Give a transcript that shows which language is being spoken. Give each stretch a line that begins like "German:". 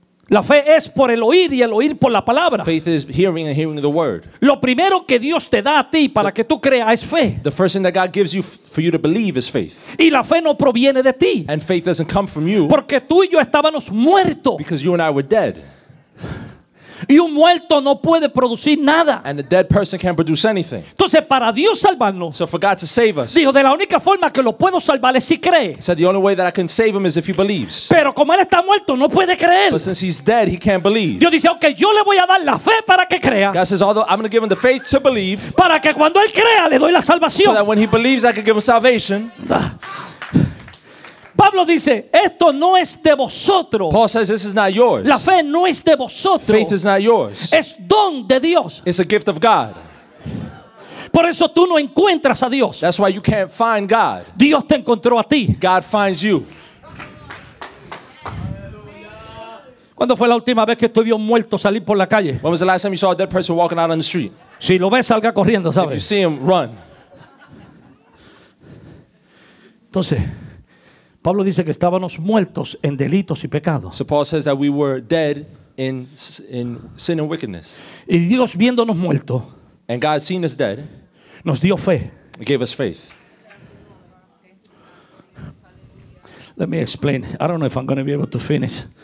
Spanish: La fe es por el oír y el oír por la palabra.
English: Faith is hearing and hearing the word.
Spanish: Lo primero que Dios te da a ti para que tú creas es fe.
English: The first thing that God gives you for you to believe is faith.
Spanish: Y la fe no proviene de ti.
English: And faith doesn't come from you.
Spanish: Porque tú y yo estábamos muertos.
English: Because you and I were dead.
Spanish: Y un muerto no puede producir nada.
English: And a dead person can't produce anything.
Spanish: Entonces para Dios salvarnos.
English: So for God to save us.
Spanish: Dijo de la única forma que lo puedo salvar es si cree.
English: Said the only way that I can save him is if he believes.
Spanish: Pero como él está muerto no puede creer.
English: But since he's dead he can't believe.
Spanish: Dios dice okay, yo le voy a dar la fe para que crea.
English: God says although I'm going to give him the faith to believe.
Spanish: Para que cuando él crea le doy la salvación.
English: So that when he believes I can give him salvation.
Spanish: Pablo dice, esto no es de vosotros.
English: Paul says, this is not yours.
Spanish: La fe no es de vosotros.
English: Faith is not yours.
Spanish: Es don de Dios.
English: It's a gift of God.
Spanish: Por eso tú no encuentras a Dios.
English: That's why you can't find God.
Spanish: Dios te encontró a ti.
English: God finds you.
Spanish: ¿Cuándo fue la última vez que tú vio un muerto salir por la calle?
English: When was the last time you saw a dead person walking out on the street?
Spanish: Si lo ves, salga corriendo, ¿sabes?
English: If you see him, run.
Spanish: Entonces, Pablo dice que estábamos muertos en delitos y pecados.
English: So Paul says that we were dead in sin and wickedness.
Spanish: Y Dios viéndonos muertos.
English: And God seeing us dead.
Spanish: Nos dio fe.
English: He gave us faith. Let me explain. I don't know if I'm going to be able to finish.